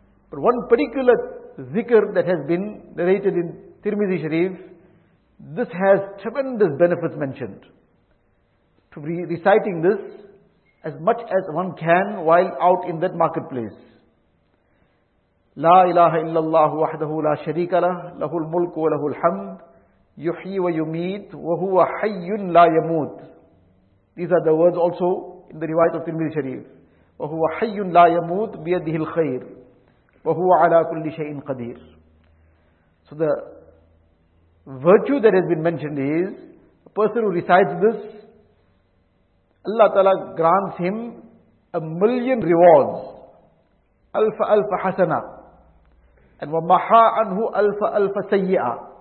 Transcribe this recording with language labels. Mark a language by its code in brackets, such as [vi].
[en] But one particular zikr that has been narrated in Tirmidhi Sharif, this has tremendous benefits mentioned. To be reciting this as much as one can while out in that marketplace. [ar] لا إله إلا الله وحده لا شريك له له الملك وله الحمد يحيي ويميت وهو حي لا يموت. [en] These are the words also in the riwayat of Tirmidhi Sharif. [ar] وهو حي لا يموت بيده الخير وهو على كل شيء قدير. [en] So the virtue that has been mentioned is a person who recites this, Allah Ta'ala grants him a million rewards. [ar] Alfa alfa hasana. And وَمَحَا عَنْهُ أَلْفَ أَلْفَ سَيِّئَ.